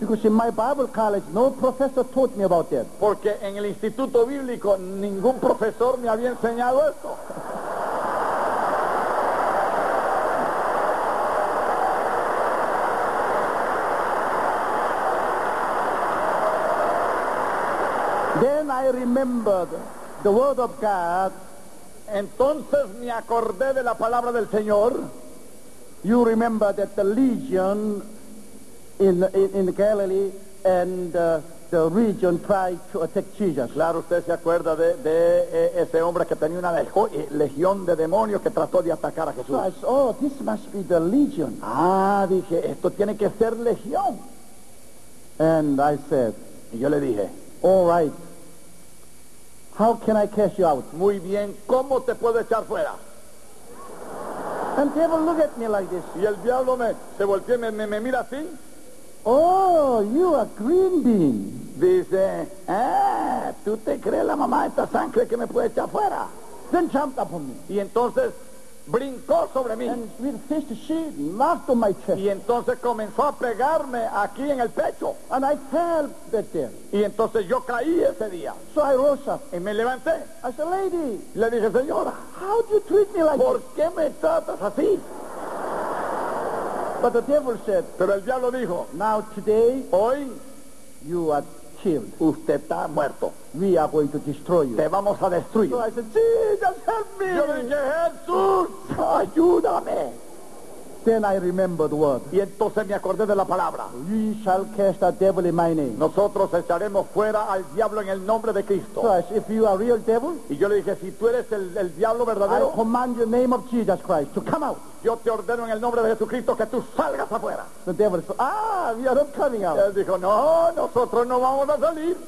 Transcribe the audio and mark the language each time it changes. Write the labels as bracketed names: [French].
[English] Because in my Bible college, no professor taught me about that. [Spanish] Porque en el instituto bíblico ningún profesor me había enseñado esto. [English] Then I remembered the word of God. [Spanish] Entonces me acordé de la palabra del Señor. [English] You remember that the legion in Galilee and the region tried to attack Jesus. [Spanish] Claro, usted se acuerda de ese hombre que tenía una legión de demonios que trató de atacar a Jesús. [English] So I said, oh, this must be the legion. [Spanish] Ah, dije, esto tiene que ser legión. [English] And I said, [Spanish] y yo le dije, [English] all right, how can I cast you out? [Spanish] Muy bien, ¿cómo te puedo echar fuera? [English] And the devil look at me like this. [Spanish] Y el diablo se volteó y me mira así. [English] Oh, you are green bean. [Spanish] Dice, ¿tú te crees la mamá de esta sangre que me puede echar fuera? [English] Then jumped up on me. [Spanish] Y entonces brincó sobre mí. [English] And with fist she knocked on my chest. [Spanish] Y entonces comenzó a pegarme aquí en el pecho. [English] And I fell that day. [Spanish] Y entonces yo caí ese día. [English] So I rose up. [Spanish] Y me levanté. [English] I said, lady. [Spanish] Le dije, señora. [English] How do you treat me like [Spanish] ¿por [English] this? [Spanish] ¿Por qué me tratas así? [English] But the devil said. [Spanish] Pero el diablo dijo. [English] Now today. [Spanish] Hoy. [English] You are killed. [Spanish] Usted está muerto. [English] We are going to destroy you. [Spanish] Te vamos a destruir. [English] So I said, Jesus, help me. [Spanish] Yo dije, Jesús, ayúdame. [English] Then I remembered the word. [Spanish] Y entonces me acordé de la palabra. [English] We shall cast the devil in my name. [Spanish] Nosotros echaremos fuera al diablo en el nombre de Cristo. [English] So said, if you are real devil, [Spanish] y yo le dije, si tú eres el diablo verdadero, [English] I command you in the name of Jesus Christ to come out. [Spanish] Yo te ordeno en el nombre de Jesucristo que tú salgas afuera. [English] The devil said, we are not coming out. [Spanish] Él dijo, no, nosotros no vamos a salir.